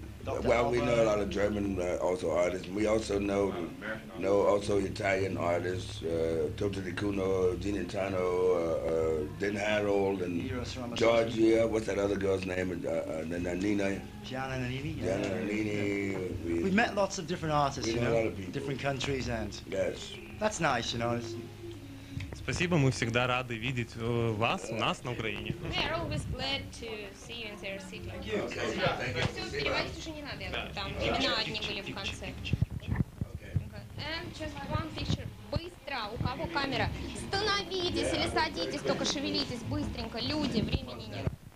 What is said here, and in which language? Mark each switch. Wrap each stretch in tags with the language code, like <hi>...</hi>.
<en>We know a lot of German also artists. We also know also Italian artists, Toto Di Cuno, Gina Tano, Den Harold, and Georgia. What's that other girl's name? Nanina. Gianna Nannini. We've met lots of different artists, you know, a lot of people. Different countries, and yes, that's nice, you know.</en> <ru>Спасибо, мы всегда рады видеть вас у нас на Украине.</ru> <en>We are always glad to see you in their city. Thank you.</en> <ru>Все, переводить уже не надо, там имена одни были в конце.</ru> <en>And just one picture.</en> <ru>Быстро, у кого камера? Становитесь или садитесь, только шевелитесь быстренько, люди, времени нет.</ru>